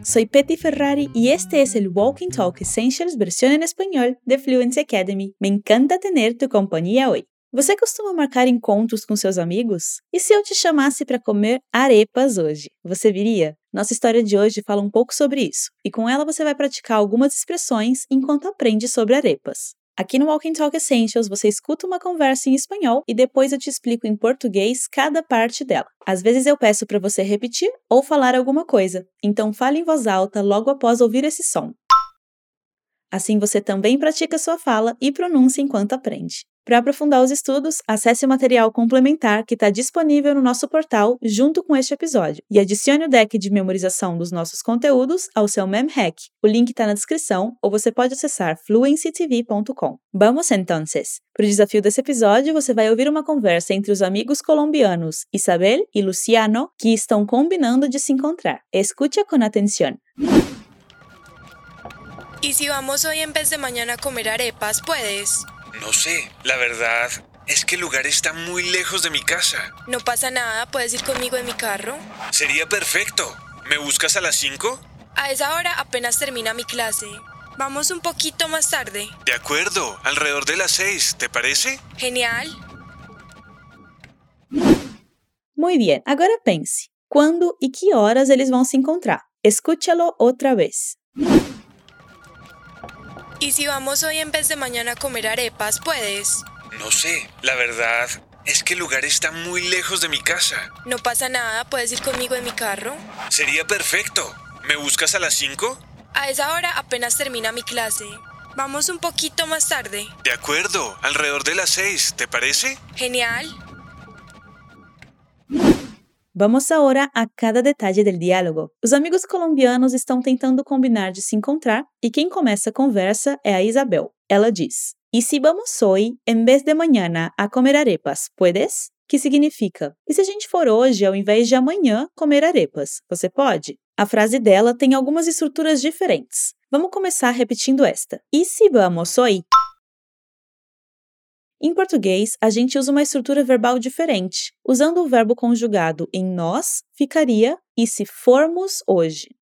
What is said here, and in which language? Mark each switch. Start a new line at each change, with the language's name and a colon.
Spanish: Soy Petty Ferrari y este es el Walking Talk Essentials versión en español de Fluency Academy. Me encanta tener tu compañía hoy.
Portuguese: Você costuma marcar encontros com seus amigos? E se eu te chamasse para comer arepas hoje, você viria? Nossa história de hoje fala um pouco sobre isso. E com ela você vai praticar algumas expressões enquanto aprende sobre arepas. Aqui no Walking Talk Essentials, você escuta uma conversa em espanhol e depois eu te explico em português cada parte dela. Às vezes eu peço para você repetir ou falar alguma coisa. Então fale em voz alta logo após ouvir esse som. Assim você também pratica sua fala e pronúncia enquanto aprende. Para aprofundar os estudos, acesse o material complementar que está disponível no nosso portal junto com este episódio e adicione o deck de memorização dos nossos conteúdos ao seu MemHack. O link está na descrição ou você pode acessar fluencytv.com.
Spanish: Vamos, entonces!
Portuguese: Para o desafio desse episódio, você vai ouvir uma conversa entre os amigos colombianos Isabel e Luciano que estão combinando de se encontrar. Escute com atenção!
Spanish: ¿Y si vamos hoy en vez de mañana a comer arepas, puedes? No sé, la verdad es que el lugar está muy lejos de mi casa. No pasa nada, puedes ir conmigo en mi carro. Sería perfecto. ¿Me buscas a las 5? A esa hora apenas termina mi clase. Vamos un poquito más tarde. De acuerdo, alrededor de las 6, ¿te parece? Genial. Muy bien, ahora pense. ¿Cuándo y qué horas ellos van a se encontrar? Escúchalo otra vez. ¿Y si vamos hoy en vez de mañana a comer arepas, puedes? No sé, la verdad es que el lugar está muy lejos de mi casa. No pasa nada, puedes ir conmigo en mi carro. Sería perfecto. ¿Me buscas a las 5? A esa hora apenas termina mi clase. Vamos un poquito más tarde. De acuerdo, alrededor de las 6, ¿te parece? Genial.
Portuguese: Vamos agora a cada detalhe do diálogo. Os amigos colombianos estão tentando combinar de se encontrar e quem começa a conversa é a Isabel. Ela diz,
Spanish: ¿Y si vamos hoy, en vez de mañana, a comer arepas, puedes?
Portuguese: Que significa, ¿Y se a gente for hoje, ao invés de amanhã, comer arepas, você pode? A frase dela tem algumas estruturas diferentes. Vamos começar repetindo esta.
Spanish: ¿Y si vamos hoy?
Portuguese: Em português, a gente usa uma estrutura verbal diferente. Usando o verbo conjugado em nós, ficaria e se formos hoje.